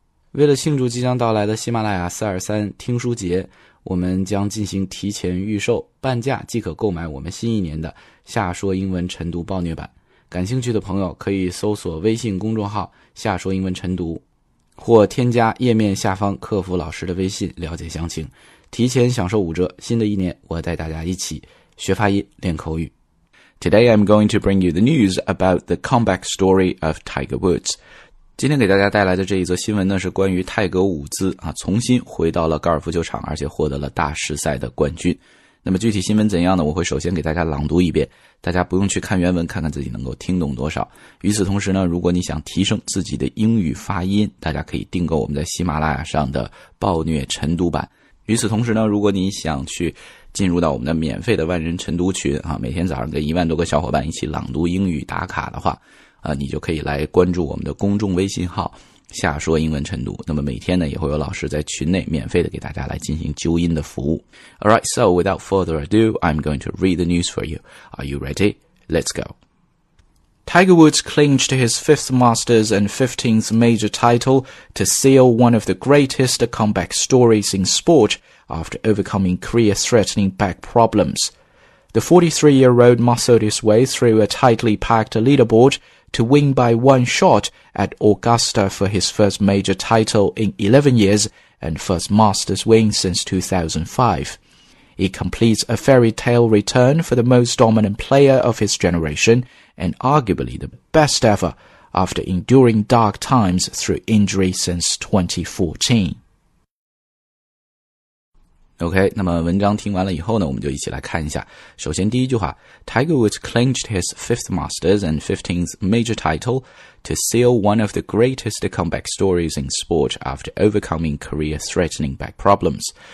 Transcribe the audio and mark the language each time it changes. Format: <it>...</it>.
<zh>为了庆祝即将到来的喜马拉雅423听书节，我们将进行提前预售，半价即可购买我们新一年的夏说英文晨读暴虐版。感兴趣的朋友可以搜索微信公众号夏说英文晨读，或添加页面下方客服老师的微信了解详情，提前享受五折。新的一年我带大家一起学发音练口语。</zh> <en>Today I'm going to bring you the news about the comeback story of Tiger Woods.</en> <zh>今天给大家带来的这一则新闻呢，是关于泰格伍兹啊，重新回到了高尔夫球场，而且获得了大师赛的冠军。那么具体新闻怎样呢？我会首先给大家朗读一遍，大家不用去看原文，看看自己能够听懂多少。与此同时呢，如果你想提升自己的英语发音，大家可以订购我们在喜马拉雅上的暴虐晨读版。与此同时呢，如果你想去进入到我们的免费的万人晨读群啊，每天早上跟10000多个小伙伴一起朗读英语打卡的话啊，你就可以来关注我们的公众微信号夏说英文晨读。那么每天呢，也会有老师在群内免费的给大家来进行纠音的服务。</zh> <en>Alright, so without further ado, I'm going to read the news for you. Are you ready? Let's go. Tiger Woods clinched his 5th Masters and 15th major title to seal one of the greatest comeback stories in sport after overcoming career-threatening back problems. The 43-year-old muscled his way through a tightly packed leaderboard to win by one shot at Augusta for his first major title in 11 years and first Masters win since 2005. He completes a fairy tale return for the most dominant player of his generation and arguably the best ever after enduring dark times through injury since 2014.</en> <zh>OK, 那么文章听完了以后呢，我们就一起来看一下。首先第一句话，</zh> <en>Tiger Woods clinched his 5th Masters and 15th major title to seal one of the greatest comeback stories in sport after overcoming career-threatening back problems.</en>